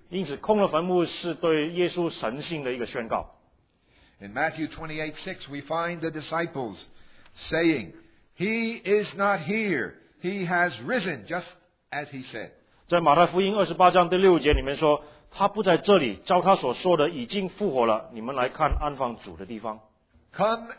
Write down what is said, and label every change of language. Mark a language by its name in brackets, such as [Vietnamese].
[Chinese] 因此空了坟墓是对耶稣神性的一个宣告。 [English] In Matthew 28:6, we find the disciples saying, He is not here, He has risen, just as He said. [Chinese] 在马太福音28章第6节里面说, 他不在这里，照他所说的已经复活了。你们来看安放主的地方。 [English] Come